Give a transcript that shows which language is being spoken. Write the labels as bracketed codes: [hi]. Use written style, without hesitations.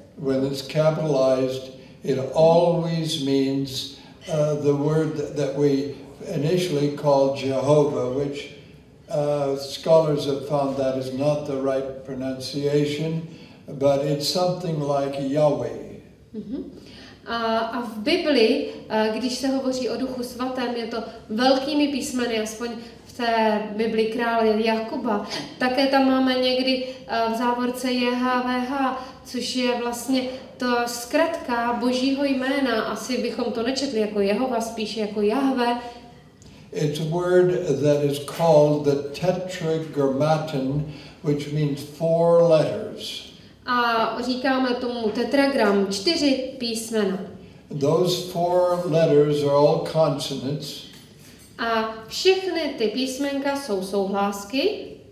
[en] When it's capitalized, it always means the word that we initially called Jehovah, which scholars have found that is not the right pronunciation, but it's something like Yahweh. [cs] A v Biblii, když se hovoří o Duchu svatém, je to velkými písmeny, aspoň v té Biblii krále Jakuba, také tam máme někdy v závorce JHVH, což je vlastně to zkratka Božího jména, asi bychom to nečetli jako Jehova, spíše jako Jahve. [en] It's a word that is called the tetragrammaton, which means four letters. [cs] A říkáme tomu tetragram, čtyři písmena. [en] Those four letters are all consonants. [cs] A všechny ty písmenka jsou souhlásky.